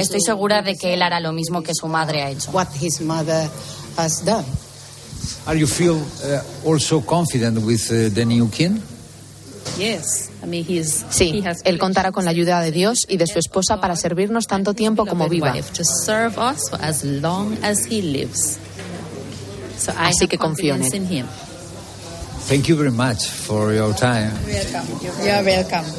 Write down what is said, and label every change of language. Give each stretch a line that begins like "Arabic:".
Spanish: Estoy segura de que él hará lo mismo que su madre ha hecho.
English: What his mother has done. Are you feel also confident with the new king? Yes.
Spanish: Sí, él contará con la ayuda de Dios y de su esposa para servirnos tanto tiempo como viva. Así que confío en él.
English: Thank you very much for your time. You're welcome.